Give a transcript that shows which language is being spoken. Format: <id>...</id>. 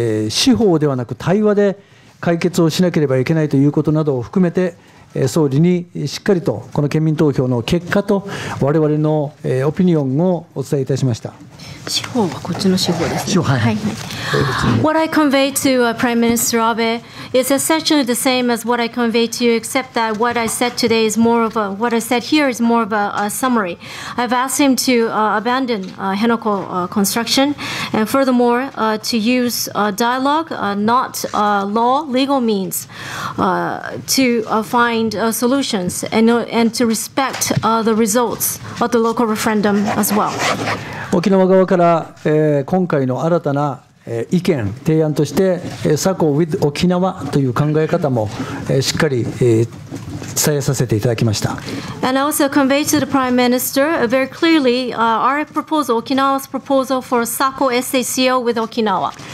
<ja>司法ではなく対話で解決をしなければいけないということなどを含めて、総理にしっかりとこの県民投票の結果と我々のオピニオンをお伝えいたしました。司法はこっちの司法ですね。司法、はい、はい。</ja> <en>What I convey to Prime Minister Abe is essentially the same as what I convey to you, except that what I said today is more of a, what I said here is more of a summary. I've asked him to abandon Henoko construction, and furthermore, to use dialogue, not law, legal means, to find solutions and to respect the results of the local referendum as well.</en> <ja>沖縄側から今回の新たな意見、提案として、サコ with 沖縄という考え方もしっかり伝えさせていただきました。</ja> <en>And I also convey to the Prime Minister very clearly our proposal, Okinawa's proposal for SACO SACO with Okinawa.</en>